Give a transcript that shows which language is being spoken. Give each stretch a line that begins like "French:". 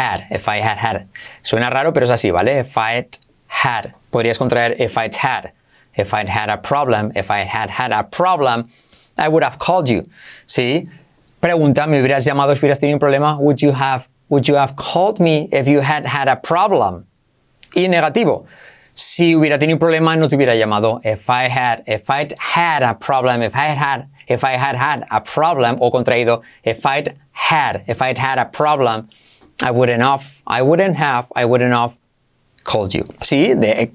English: If I had had,
Spanish: suena raro, pero es así, ¿vale?
English: If I had,
Spanish: podrías contraer,
English: if I had had a problem, I would have called you, ¿sí?
Spanish: Pregunta, ¿me hubieras llamado si hubieras tenido un problema?
English: Would you have called me if you had had a problem?
Spanish: Y negativo, si hubiera tenido un problema, no te hubiera llamado.
English: If I had had a problem,
Spanish: o contraído,
English: if I had had a problem, I wouldn't have called you. ¿Sí?